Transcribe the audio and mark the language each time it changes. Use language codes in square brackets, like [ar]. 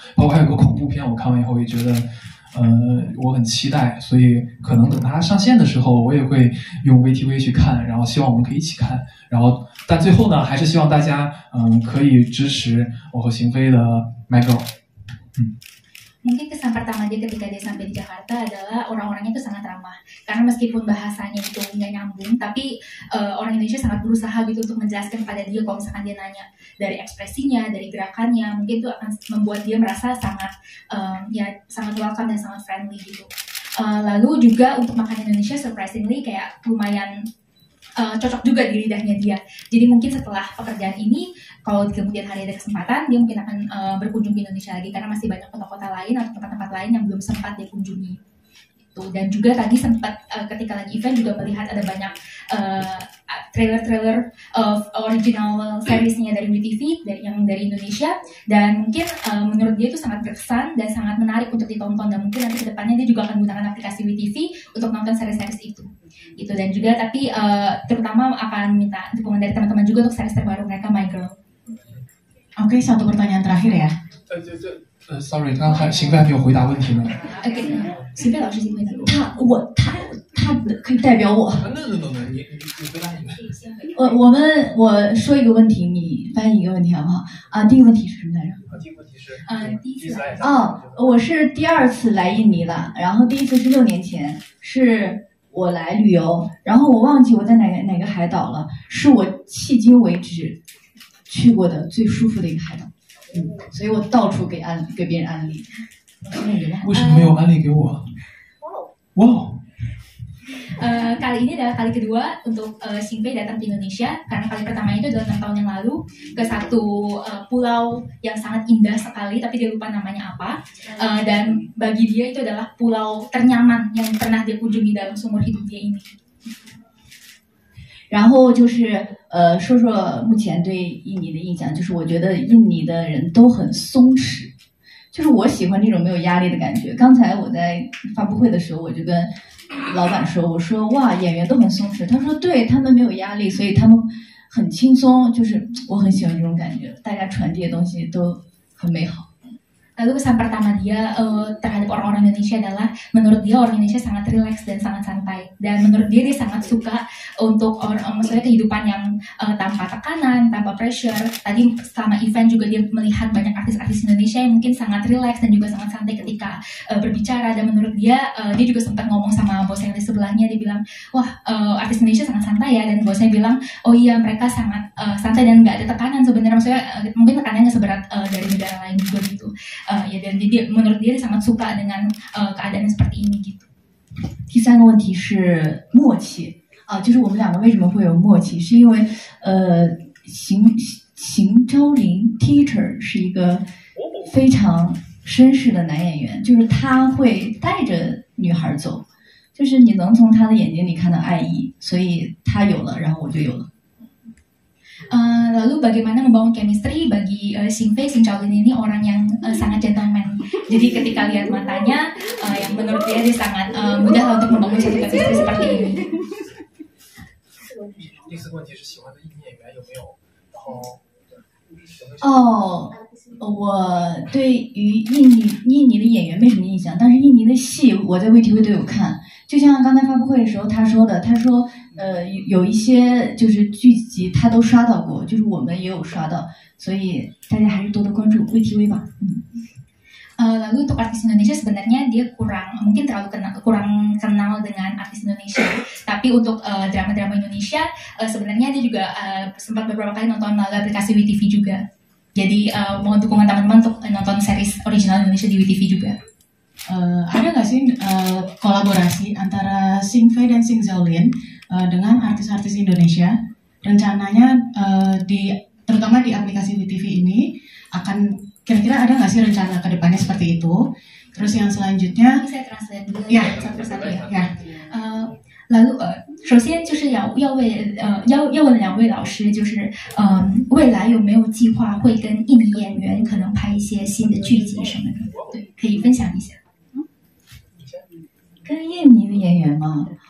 [zh] 包括还有个恐怖片，我看完以后也觉得我很期待，所以可能等它上线的时候我也会用 VTV 去看，然后希望我们可以一起看。然后但最后呢还是希望大家可以支持我和邢飞的 Michael。 [id] Mungkin kesan pertama dia ketika dia sampai di Jakarta adalah orang-orangnya itu sangat ramah, karena meskipun bahasanya itu nggak nyambung, tapi orang Indonesia sangat berusaha gitu untuk menjelaskan pada dia kalau misalkan dia nanya, dari ekspresinya, dari gerakannya, mungkin itu akan membuat dia merasa sangat ya sangat welcome dan sangat friendly gitu. Lalu juga untuk makanan Indonesia surprisingly kayak lumayan cocok juga di lidahnya dia. Jadi mungkin setelah pekerjaan ini, kalau kemudian hari ada kesempatan, dia mungkin akan berkunjung ke Indonesia lagi, karena masih banyak kota-kota lain atau tempat-tempat lain yang belum sempat dia kunjungi. Gitu. Dan juga tadi sempat ketika lagi event juga melihat ada banyak trailer-trailer original series-nya dari WeTV yang dari Indonesia, dan mungkin menurut dia itu sangat berkesan dan sangat menarik untuk ditonton, dan mungkin nanti kedepannya dia juga akan menggunakan aplikasi WeTV untuk nonton series-series itu. Gitu. Dan juga tapi terutama akan minta dukungan dari teman-teman juga untuk series terbaru mereka, My Girl. Oke, satu pertanyaan terakhir ya. [zh] Sorry, 刚才邢飞还没有回答问题呢。 Okay, 邢飞老师，邢飞他我他可以代表我。那回答你。我说一个问题，你翻译一个问题好不好？第一个问题是什么来着？第一次。我是第二次来印尼了，然后第一次是六年前，是我来旅游，然后我忘记我在哪个海岛了，是我迄今为止去过的最舒服的一个海岛。所以我到处给别人安利。为什么没有安利给我？哇哦！ [id] Kali ini adalah kali kedua untuk Xing Fei datang ke Indonesia, karena kali pertama itu adalah 6 tahun yang lalu ke satu pulau yang sangat indah sekali, tapi dia lupa namanya apa. Dan bagi dia itu adalah pulau ternyaman yang pernah dia kunjungi dalam seumur hidup dia ini. [zh] 然后就是说说目前对印尼的印象，就是我觉得印尼的人都很松弛，就是我喜欢这种没有压力的感觉。刚才我在发布会的时候我就跟老板说，我说哇，演员都很松弛，他说对，他们没有压力，所以他们很轻松，就是我很喜欢这种感觉，大家传递的东西都很美好。 [id] Lalu kesan pertama dia terhadap orang-orang Indonesia adalah menurut dia orang Indonesia sangat relax dan sangat santai, dan menurut dia dia sangat suka untuk maksudnya kehidupan yang tanpa tekanan, tanpa pressure. Tadi selama event juga dia melihat banyak artis-artis Indonesia yang mungkin sangat relax dan juga sangat santai ketika berbicara, dan menurut dia dia juga sempat ngomong sama bosnya yang di sebelahnya, dia bilang wah artis Indonesia sangat santai ya, dan bosnya bilang oh iya mereka sangat santai dan nggak ada tekanan sebenarnya, maksudnya mungkin tekanannya seberat dari negara lain juga gitu. Ya, dan dia, menurut dia sangat suka dengan keadaan seperti ini gitu. [zh] 第三个问题是默契啊，就是我们两个为什么会有默契，是因为邢周林 teacher 是一个非常绅士的男演员，就是他会带着女孩走，就是你能从他的眼睛里看到爱意，所以他有了，然后我就有了。 [id] Lalu bagaimana membangun chemistry bagi Xing Fei, Xing Chaolin ini orang yang sangat gentleman. Jadi ketika lihat matanya, yang menurut dia sangat mudah untuk membangun satu chemistry seperti ini. [zh] 第四个问题是喜欢的印尼演员有没有？我对于印尼的演员没什么印象，但是印尼的戏我在 VTV 都有看，就像刚才发布会的时候他说的，他说有一些就是剧集他都刷到过，就是我们也有刷到，所以大家还是多多关注 VTV 吧。 [id] Lalu untuk artis Indonesia sebenarnya dia kurang kenal dengan artis Indonesia, tapi untuk drama-drama Indonesia sebenarnya dia juga sempat beberapa kali nonton melalui aplikasi WeTV juga. Jadi mohon dukungan teman-teman untuk nonton series original Indonesia di WeTV juga. Ada nggak sih kolaborasi antara Xing Fei dan Xing Zhaolin dengan artis-artis Indonesia? Rencananya terutama di aplikasi WeTV ini akan kira-kira ada nggak sih rencana kedepannya seperti itu? Terus yang selanjutnya, ini saya translate dulu ya, satu-satu ya. [zh] Lalu, 首先就是要问两位老师，就是未来有没有计划会跟印尼演员可能拍一些新的剧集什么的？对，可以分享一下。跟印尼的演员吗？